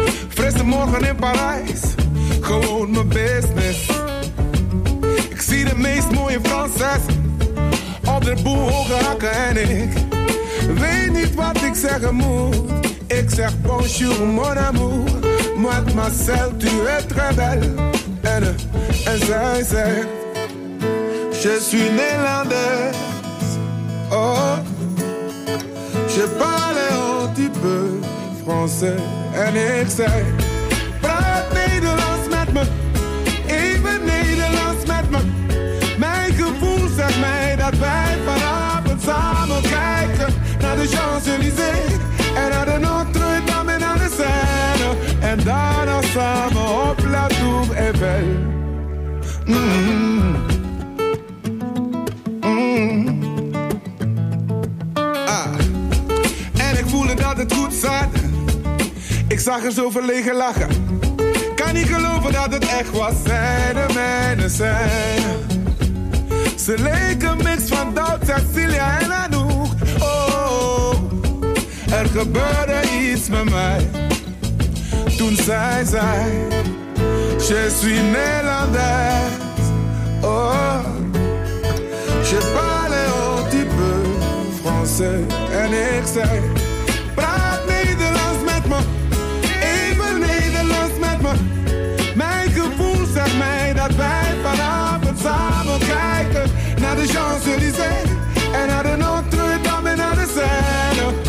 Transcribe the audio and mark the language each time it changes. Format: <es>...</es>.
<nl>Frisse morgen in Parijs, gewoon mijn business. Ik zie de meest mooie Franses op de boel hoge hakken en ik weet niet wat ik zeggen moet. Ik zeg</nl> <fr>bonjour mon amour, mademoiselle tu es très belle.</fr> <nl>En zij zei,</nl> <fr>je suis Nederlandaise, oh, je parle un petit peu français.</fr> <nl>En ik zei, praat Nederlands met me, even Nederlands met me. Mijn gevoel zegt mij dat wij vanavond samen kijken naar de Champs-Élysées en naar de Notre-Dame en naar de Seine. En daarna samen op La Tour Eiffel. En ik voelde dat het goed zat. Ik zag haar zo verlegen lachen. Kan niet geloven dat het echt was. Zij de mijne zijn. Ze leek een mix van Duits, Cecilia en Anouk. Oh, oh, oh, er gebeurde iets met mij. Toen zij zei,</nl> <fr>je suis</fr> <nl>Nederlander.</nl> <fr>Oh, je parle un petit peu français.</fr> <nl>En ik zei, praat Nederlands met me, even Nederlands met me. Mijn gevoel zegt mij dat wij vanavond samen kijken naar de Champs-Élysées en naar de Notre-Dame en naar de Seine.</nl>